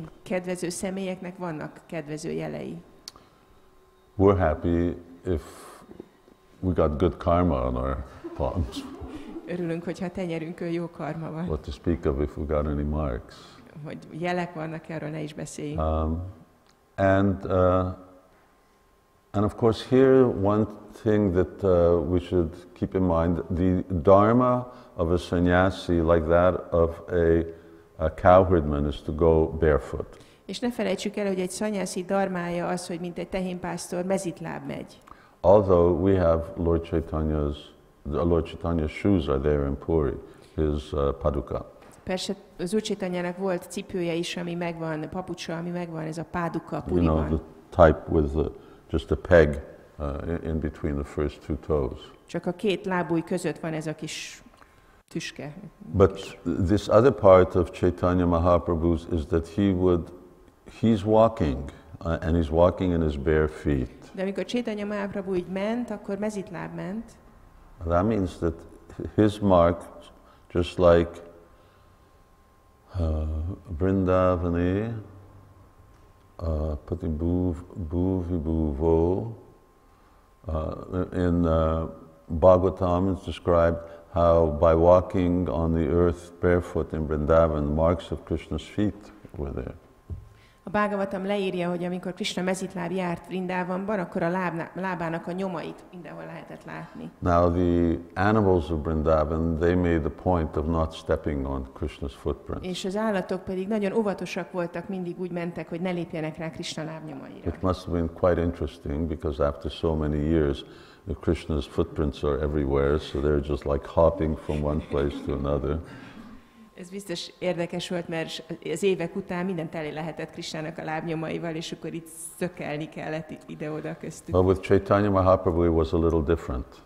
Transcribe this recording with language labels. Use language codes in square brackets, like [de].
[hu] Kedvező személyeknek vannak kedvező jelei. [en] We're happy if we got good karma on our palms. [hu] Örülünk, hogyha tenyerünkön jó karma van. [en] What to speak of if we got any marks. [hu] Hogy jelek vannak, erről ne is beszéljünk. [en] And of course here one thing that we should keep in mind, the dharma of a sannyasi like that of a cowherdman is to go barefoot. [hu] És ne felejtsük el, hogy egy szanyászi darmája az, hogy mint egy tehénpásztor mezítláb megy. [en] Although we have Lord Chaitanya's shoes are there in Puri, his paduka. [hu] Persze az Úr Chaitanyának volt cipője is, ami megvan, papucsa, ami megvan, ez a paduka Puriban. [en] You know, the type with just a peg in between the first two toes. [hu] Csak a két lábúj között van ez a kis tüske. [en] But this other part of Chaitanya Mahaprabhu's is that he's walking, and he's walking in his bare feet. [hu] De amikor Chaitanya Mahaprabhu így ment, akkor mezítláb ment. [en] That means that his mark, just like Vrindavani, Pati Bhuvibhuvo, in Bhagavatam is described how by walking on the earth barefoot in Vrindavan, marks of Krishna's feet were there. [hu] A Bhagavatam leírja, hogy amikor Krishna mezítláb járt Vrindavanban, akkor a lábának a nyomait mindenhol lehetett látni. [en] Now the animals of Vrindavan, they made the point of not stepping on Krishna's footprints. [hu] És az állatok pedig nagyon óvatosak voltak, mindig úgy mentek, hogy ne lépjenek rá Krishna lábnyomaira. [en] It must have been quite interesting because after so many years, the Krishna's footprints are everywhere, so they're just like hopping from one place to another. [hu] Ez biztos érdekes volt, mert az évek után minden telé lehetett Krishnának a lábnyomaival, és akkor itt szökelni kellett ide-oda köztük. [en] But with Chaitanya Mahaprabhu it was a little different.